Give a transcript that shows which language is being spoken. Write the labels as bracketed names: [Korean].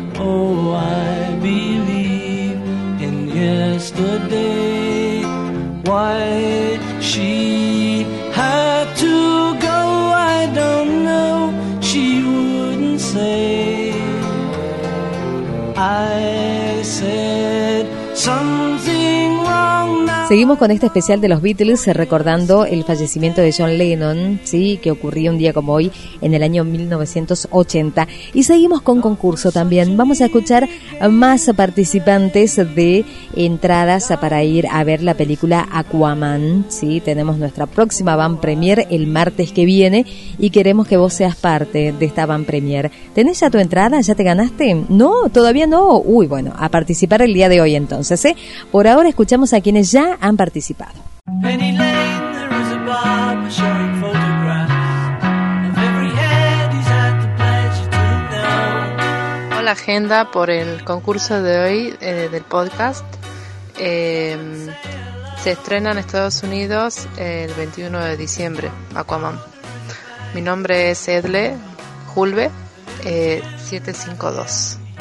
[English] Oh, I believe in yesterday. Why she had to go, I don't know, she wouldn't say. I said something wrong now. [Spanish] Seguimos con este especial de los Beatles recordando el fallecimiento de John Lennon, sí, que ocurrió un día como hoy en el año 1980. Y seguimos con concurso también. Vamos a escuchar más participantes de entradas para ir a ver la película Aquaman, sí. Tenemos nuestra próxima van premiere el martes que viene y queremos que vos seas parte de esta van premiere. ¿Tenés ya tu entrada? ¿Ya te ganaste? No, todavía no. Uy, bueno, a participar el día de hoy entonces, ¿eh? Por ahora escuchamos a quienes ya han participado. [English] Penny Lane, there is a barber showing photographs of every head he's had the pleasure to know. [Spanish] Hola, agenda por el concurso de hoy del podcast. Se estrena en Estados Unidos el 21 de diciembre, Aquaman. Mi nombre es Edle Julve, 752.